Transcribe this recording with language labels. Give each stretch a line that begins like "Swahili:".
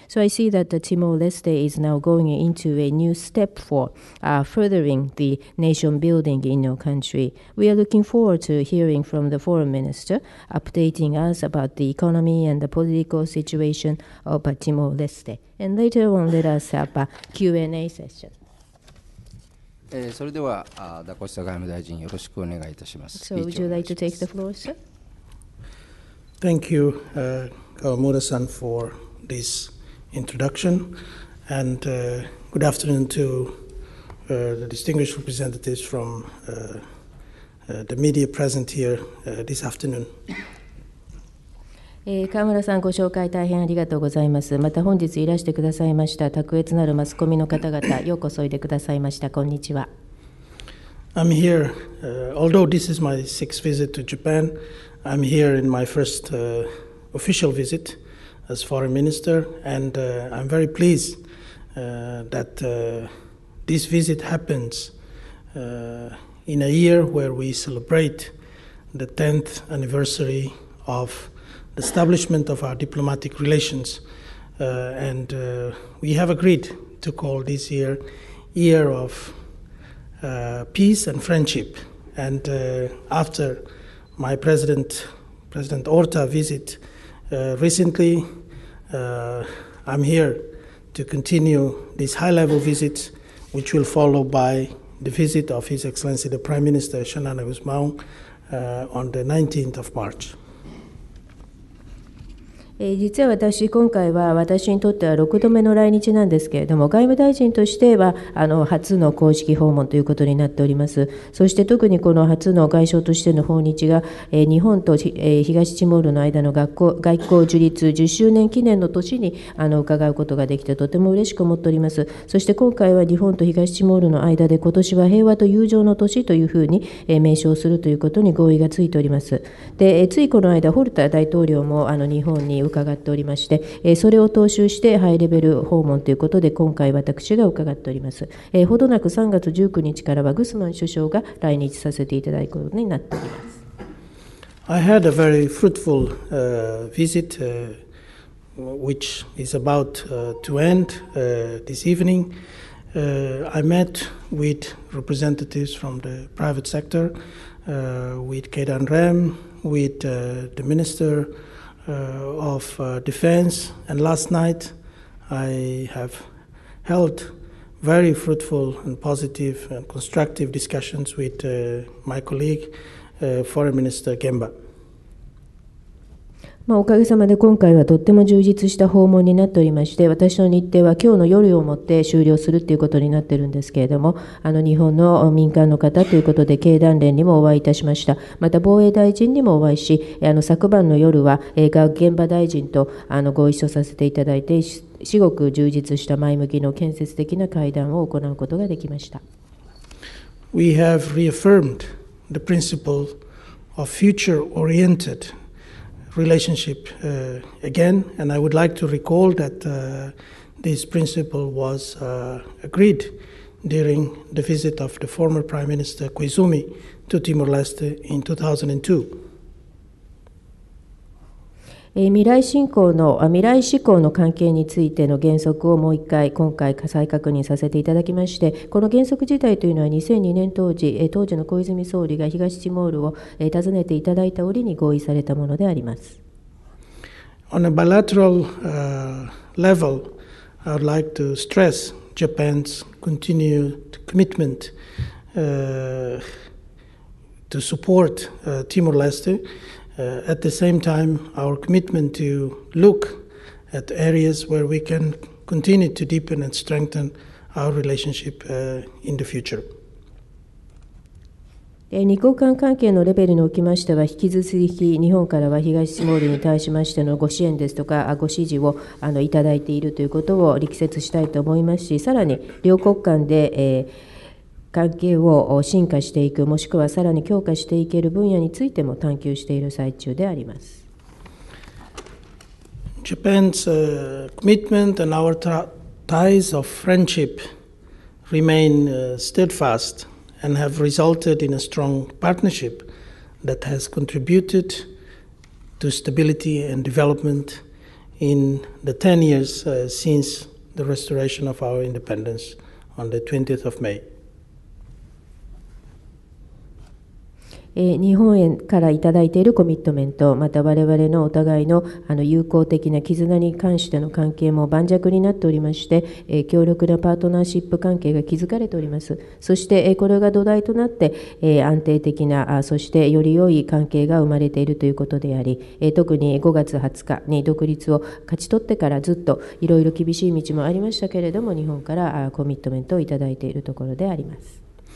English: So I see that Timor-Leste is now going into a new step for furthering the nation building in your country. We are looking forward to hearing from the foreign minister updating us about the economy and the political situation of Timor-Leste. And later on, let us have a Q&A session.
Japanese: それではダコスタ外務大臣よろしくお願いいたします。
English: So would you like to take the floor, sir? Thank you, Kawamura-san, for this introduction. And good afternoon to the distinguished representatives from the media present here this afternoon.
Japanese: 川村さん、ご紹介大変ありがとうございます。また本日いらしてくださいました卓越なるマスコミの方々、ようこそいでくださいました。こんにちは。
English: I'm here, although this is my sixth visit to Japan, I'm here in my first official visit as foreign minister, and I'm very pleased that this visit happens in a year where we celebrate the 10th anniversary ofEstablishment of our diplomatic relations, and we have agreed to call this year Year of Peace and Friendship. And after my President Orta visit recently, I'm here to continue this high-level visit, which will follow by the visit of His Excellency the Prime Minister Shonan Agusmao on the 19th of March.
Japanese: 実は私、今回は私にとっては6度目の来日なんですけれども、外務大臣としては初の公式訪問ということになっております。そして特にこの初の外相としての訪日が、日本と東ティモールの間の外交樹立10周年記念の年に伺うことができて、とても嬉しく思っております。そして今回は日本と東ティモールの間で、今年は平和と友情の年というふうに名称するということに合意がついております。で、ついこの間、ホルター大統領も日本に伺っておりまして、それを踏襲してハイレベル訪問ということで今回私が伺っております。ほどなく3月19日からはグスマン首相が来日させていただくことになっております。
English: I had a very fruitful visit which is about to end this evening. I met with representatives from the private sector, with Kedan Rem, with the ministerof defense, and last night I have held very fruitful and positive and constructive discussions with my colleague, Foreign Minister Gemba.
Japanese: まあ、おかげさまで今回はとっても充実した訪問になっておりまして、私の日程は今日の夜をもって終了するということになっているんですけれども、日本の民間の方ということで経団連にもお会いいたしました。また防衛大臣にもお会いし、昨晩の夜は現場大臣とご一緒させていただいて、至極充実した前向きの建設的な会談を行うことができました。
English: We have reaffirmed the principle of future-orientedrelationship again, and I would like to recall that this principle was agreed during the visit of the former Prime Minister Koizumi to Timor-Leste in 2002.
Japanese: 未来志向の関係についての原則をもう一回今回再確認させていただきまして、この原則自体というのは2002年当時、当時の小泉総理が東ティモールを訪ねていただいた折に合意されたものであります。
English: On a bilateral level, I would like to stress Japan's continued commitment to support Timor-Leste. At the same time, our commitment to look at areas where we can continue to deepen and strengthen our relationship in the future.
Japanese: 二国間関係のレベルにおきましては、引き続き日本からは東ティモールに対しましてのご支援ですとかご支持をいただいているということを力説したいと思いますし、さらに両国間で、関係を進化していく、もしくはさらに強化していける分野についても探求している最中であります。
English: Japan's commitment and our ties of friendship remain steadfast and have resulted in a strong partnership that has contributed to stability and development in the 10 years since the restoration of our independence on the 20th of May.
Japanese: 日本からいただいているコミットメント、また我々のお互い の友好的な絆に関しての関係も盤石になっておりまして、強力なパートナーシップ関係が築かれております。そしてこれが土台となって安定的な、そしてより良い関係が生まれているということであり、特に5月20日に独立を勝ち取ってからずっといろいろ厳しい道もありましたけれども、日本からコミットメントをいただいているところであります。